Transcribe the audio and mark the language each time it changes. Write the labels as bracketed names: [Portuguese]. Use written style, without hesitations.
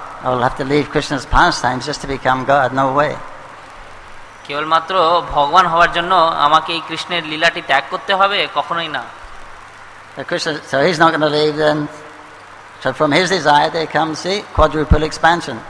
[English] I will have to leave Krishna's pastimes just to become God. No way. [Bangla] কেবল মাত্র ভগবান হওয়ার জন্য আমাকে এই কৃষ্ণের লীলাটি ত্যাগ করতে হবে কখনোই না. [English] Krishna, so he's not going to leave then. So from his desire there comes the quadruple expansion.